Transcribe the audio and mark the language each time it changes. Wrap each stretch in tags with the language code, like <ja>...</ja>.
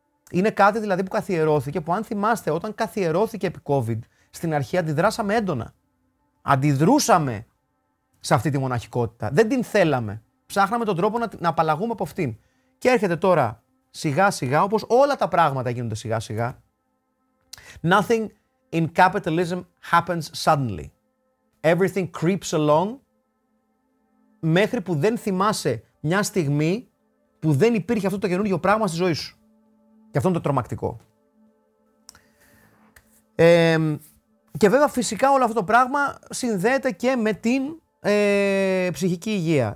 <el>Είναι κάτι δηλαδή που καθιερώθηκε, που αν θυμάστε όταν καθιερώθηκε επί COVID, στην αρχή αντιδράσαμε έντονα. Αντιδρούσαμε σε αυτή τη μοναχικότητα. Δεν την θέλαμε. Ψάχναμε τον τρόπο να απαλλαγούμε από αυτήν. Και έρχεται τώρα σιγά σιγά, όπως όλα τα πράγματα γίνονται σιγά σιγά.</el> <en>Nothing in capitalism happens suddenly. Everything creeps along,</en> <el>μέχρι που δεν θυμάσαι μια στιγμή που δεν υπήρχε αυτό το καινούργιο πράγμα στη ζωή σου. Και αυτό είναι το τρομακτικό. Και βέβαια φυσικά όλο αυτό το πράγμα συνδέεται και με την ψυχική υγεία.</el>